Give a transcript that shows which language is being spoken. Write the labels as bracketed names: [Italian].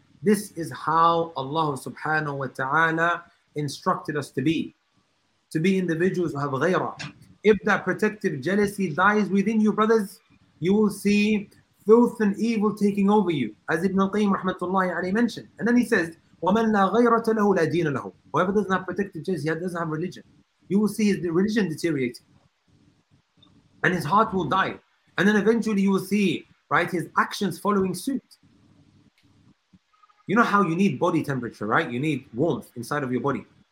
[English] This is how Allah subhanahu wa ta'ala instructed us to be individuals who have ghayra. If that protective jealousy dies within you, brothers, you will see filth and evil taking over you, as Ibn Qayyim rahmatullahi alayhi mentioned. And then he says, [Arabic] وَمَنْ لَا غَيْرَةَ لَهُ لَا دِينَ لَهُ. [English] Whoever doesn't have protective jealousy, he doesn't have religion. You will see the religion deteriorating. And his heart will die. And then eventually you will see, right, his actions following suit. You know how you need body temperature, right? You need warmth inside of your body.